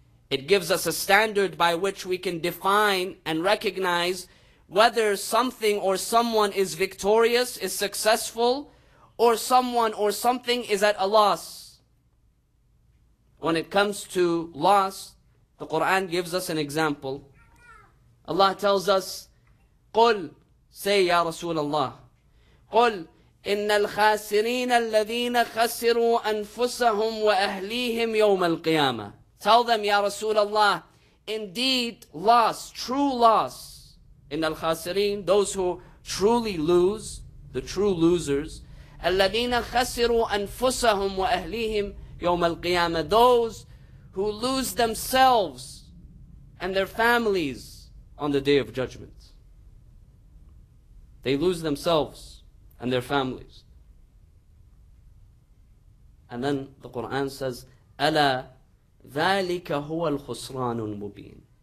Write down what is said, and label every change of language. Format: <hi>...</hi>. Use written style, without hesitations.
<en>It gives us a standard by which we can define and recognize whether something or someone is victorious, is successful, or someone or something is at a loss. When it comes to loss, the Quran gives us an example. Allah tells us, قُلْ</en> <ar>Say, Ya Rasulullah, قل إن الخاسرين الذين خسروا أنفسهم وأهليهم يوم القيامة.</ar> <en>Tell them, Ya Rasulullah, indeed, loss, true loss.</en> <ar>إن الخاسرين,</ar> <en>those who truly lose, the true losers.</en> <ar>الذين خسروا أنفسهم وأهليهم يوم القيامة.</ar> <en>Those who lose themselves and their families on the day of judgment. They lose themselves and their families. And then the Quran says,</en> <ar>أَلَا ذَٰلِكَ هُوَ الْخُسْرَانُ الْمُبِينُ.</ar>